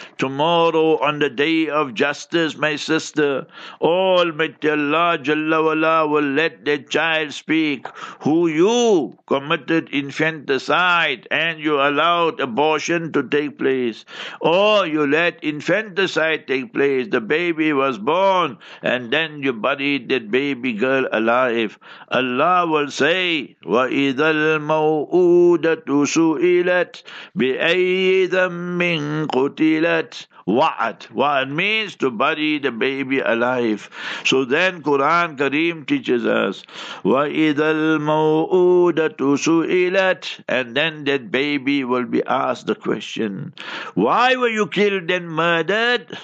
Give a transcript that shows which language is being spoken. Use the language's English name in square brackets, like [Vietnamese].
[English] Tomorrow on the day of justice, my sister, Almighty Allah Jalla Wala will let the child speak, who you committed infanticide and you allowed abortion to take place, or you let infanticide take place, the baby was born and then you buried that baby girl alive. Allah will say, [Arabic] وَإِذَا الْمَوْءُودَةُ سُئِلَتْ بِأَيِّ ذَنْبٍ قُتِلَتْ, Wa'ad. [English] Wa'ad means to bury the baby alive. So then Quran Kareem teaches us, [Arabic] وَإِذَا الْمَوْءُودَةُ سُئِلَتْ, [English] and then that baby will be asked the question, why were you killed and murdered?